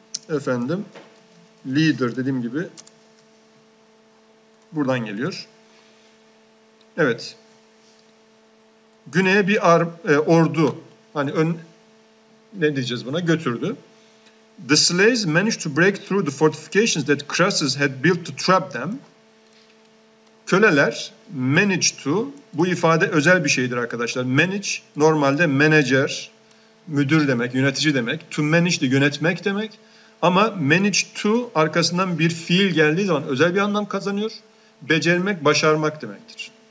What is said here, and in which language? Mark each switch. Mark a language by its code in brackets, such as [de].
[tr] Efendim, leader dediğim gibi buradan geliyor. Evet. Güneye bir ordu, hani ne diyeceğiz buna, götürdü. [en] The slaves managed to break through the fortifications that Crassus had built to trap them. [tr] Köleler manage to, bu ifade özel bir şeydir arkadaşlar. Manage, normalde manager, müdür demek, yönetici demek. To manage de yönetmek demek. Ama manage to arkasından bir fiil geldiği zaman özel bir anlam kazanıyor. Becermek, başarmak demektir.